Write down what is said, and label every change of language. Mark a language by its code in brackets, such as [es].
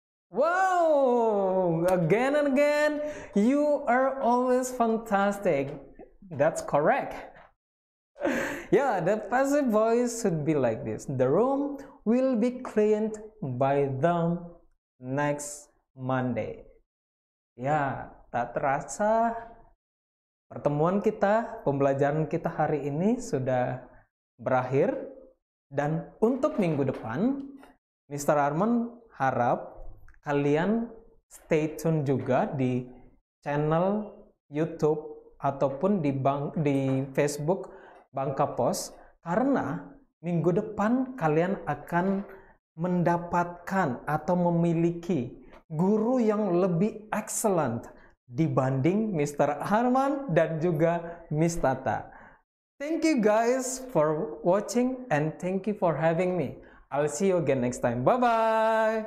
[en] Wow, again and again, you are always fantastic. That's correct. Yeah, the passive voice should be like this. The room will be cleaned by them next Monday. [id] Yeah, tak terasa pertemuan kita, pembelajaran kita hari ini sudah berakhir. Dan untuk minggu depan, Mr. Arman harap kalian [en] stay tune [id] juga di channel YouTube ataupun di Facebook Bangka Pos, karena minggu depan kalian akan mendapatkan atau memiliki guru yang lebih excellent dibanding Mr. Arman dan juga Miss Tata. [en] Thank you guys for watching and thank you for having me. I'll see you again next time. Bye-bye.